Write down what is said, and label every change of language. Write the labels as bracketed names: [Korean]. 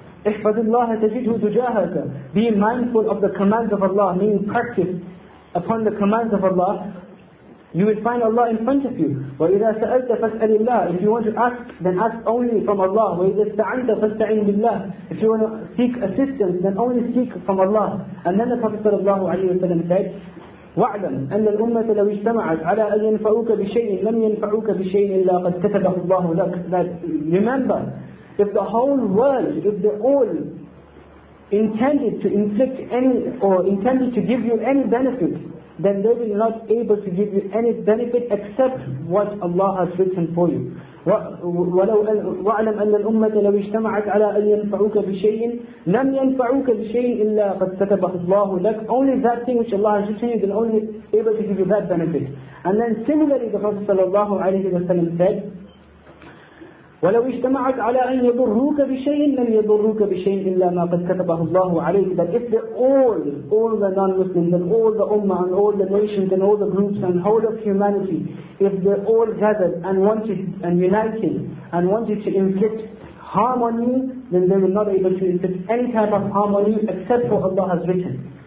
[Arabic] Ihfadillahi tajidhu tujahaka, [English] be mindful of the commands of Allah, meaning practice upon the commands of Allah, you will find Allah in front of you. [Arabic] وَإِذَا سَأَلْتَ فَاسْأَلِ اللَّهِ. [English] If you want to ask, then ask only from Allah. [Arabic] وَإِذَا اسْتَعَنْتَ فَاسْتَعِنْ بِاللَّهِ. [English] If you want to seek assistance, then only seek from Allah. And then the Prophet [Arabic] صلى الله عليه وسلم [English] said, [Arabic] وَعْلَمْ أَنَّ الْأُمَّةَ لَوِ اجْتَمَعَتْ عَلَىٰ أَنْ يَنْفَعُوكَ بِشَيْءٍ لَمْ يَنْفَعُوكَ بِشَيْءٍ إِلَّا قَدْ كَتَبَهُ اللَّهُ لَكَ. [English] That, remember, if the whole world, if they all intended to inflict any, or intended to give you any benefit, then they will not be able to give you any benefit except what Allah has written for you. [Arabic] وَعْلَمْ أَنَّ الْأُمَّةَ لَوِ اجْتَمَعَتْ عَلَىٰ أَنْ يَنْفَعُوكَ بِشَيْءٍ لَمْ يَنْفَعُوكَ بِشَيْءٍ إِلَّا قَدْ كَتَبَهُ اللَّهُ لَكَ. [English] Only that thing which Allah has written, you can only able to give you that benefit. And then similarly, the Prophet [Arabic] صلى الله عليه وسلم [English] said, [Arabic] وَلَوْ اجْتَمَعَتْ عَلَىٰ أَنْ يَضُرُّوكَ بِشَيْءٍ لَمْ يَضُرُّوكَ بِشَيْءٍ إِلَّا مَا قَدْ كَتَبَهُ اللَّهُ عَلَيْكَ. [English] That if all the non-Muslims and all the ummah and all the nations and all the groups and whole of humanity, if they all gathered and wanted and united and wanted to inflict harm on you, then they will not be able to inflict any type of harm on you except for Allah has written.